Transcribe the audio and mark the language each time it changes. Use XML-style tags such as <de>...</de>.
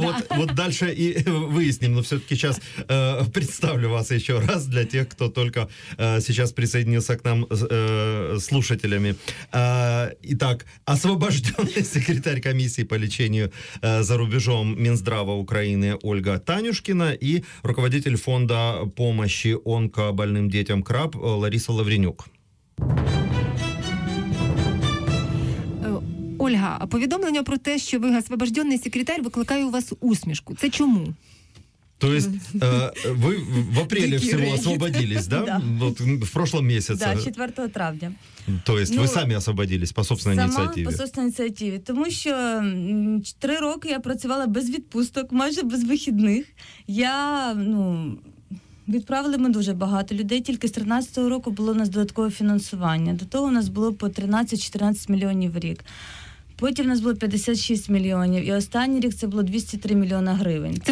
<ru>Вот дальше и выясним, но все-таки сейчас представлю вас еще раз для тех, кто только сейчас присоединился к нам слушателями. Итак, освобожденный секретарь комиссии по лечению за рубежом Минздрава Украины Ольга Танюшкина и руководитель фонда помощи онкобольным детям КРАБ Лариса Лавренюк.</ru> <uk>Ольга, повідомлення про те, що ви</uk> <ru>освобожденный секретарь,</ru> <uk>викликає у вас усмішку. Це чому?</uk> <ru>То есть вы в апреле всего освободились, да? Вот в прошлом месяце. Да, 4 травня. То есть ну, вы сами освободились по собственной инициативе? Сама по собственной инициативе.</ru> <uk>Тому що 4 роки я працювала без відпусток, майже без вихідних. Я, ну, відправили ми дуже багато людей. Тільки з 13-го року було у нас додаткове фінансування. До того у нас було по 13-14 мільйонів в рік. Потім у нас було 56 мільйонів, і останній рік це було 203 мільйона гривень.</uk>